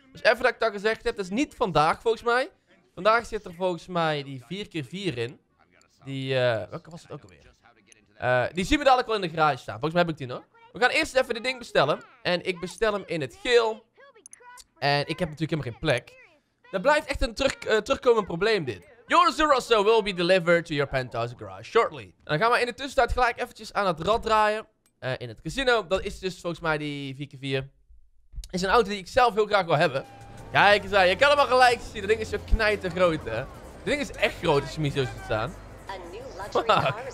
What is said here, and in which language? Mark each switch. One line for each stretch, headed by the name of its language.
Dutch: Dus even dat ik dat gezegd heb, dat is niet vandaag volgens mij. Vandaag zit er volgens mij die 4x4 in. Die, welke was het ook alweer? Die zien we dadelijk wel in de garage staan. Volgens mij heb ik die nog. We gaan eerst even dit ding bestellen. En ik bestel hem in het geel. En ik heb natuurlijk helemaal geen plek. Dat blijft echt een terugkomend probleem dit.
English: Your Zerosso will be delivered to your penthouse garage shortly.
Dutch: En dan gaan we in de tussentijd gelijk eventjes aan het rad draaien. In het casino. Dat is dus volgens mij die 4x4. Is een auto die ik zelf heel graag wil hebben. Kijk eens aan. Je kan hem al gelijk zien. Dat ding is zo knijter groot, hè. Dat ding is echt groot als je zo ziet staan. Wow.